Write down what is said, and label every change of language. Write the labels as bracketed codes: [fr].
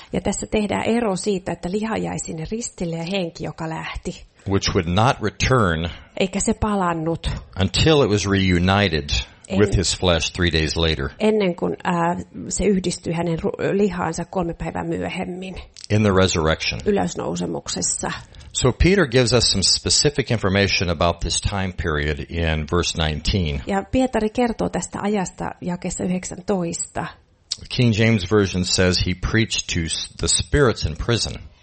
[fi] Ja tässä tehdään ero siitä, että liha jäi sinne ristille ja henki, joka lähti. [en] Which would not return. [fi] Eikä se palannut. [en] Until it was reunited with his flesh 3 days later. [fi] Ennen kuin se yhdistyi hänen lihaansa 3 päivää myöhemmin. [en] In the resurrection. [fi] Ylösnousemuksessa. [en] So Peter gives us some specific information about this time period in verse 19. [fi] Ja Pietari kertoo tästä ajasta jakeessa 19. [en] The King James Version says he preached to the spirits in prison.